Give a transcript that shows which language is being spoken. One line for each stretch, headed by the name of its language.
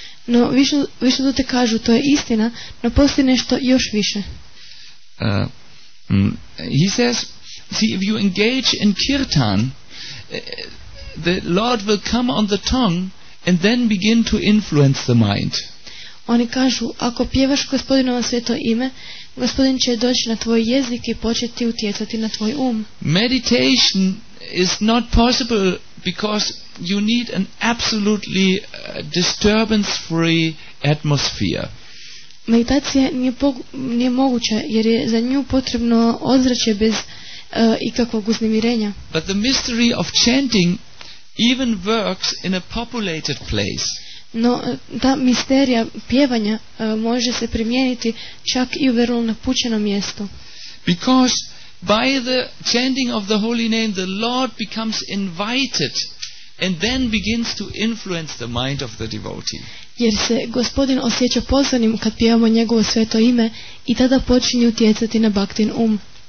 Croatian: No, Vishnu Duta kažu, to je istina, no postoji nešto još više.
English: He says, see, if you engage in kirtan, the Lord will come on the tongue and then begin to influence the mind.
Croatian: Oni kažu, ako pjevaš gospodinovo sveto ime, gospodin će doći na tvoj jezik i početi utjecati na tvoj um.
English: Meditation is not possible because you need an absolutely disturbance-free atmosphere.
Croatian: Meditacija nije moguća jer je za nju potrebno ozračje bez ikakvog uznemirenja.
English: But the mystery of chanting even works in a populated place.
Croatian: No, ta misterija pjevanja može se primijeniti čak i u vrlo napućenom mjestu.
English: Because by the chanting of the holy name the Lord becomes invited and then begins to influence the mind of the devotee.
Croatian: Jer se gospodin osjeća pozvanim kad pjevamo njegovo sveto ime i tada počinje utjecati na baktin um.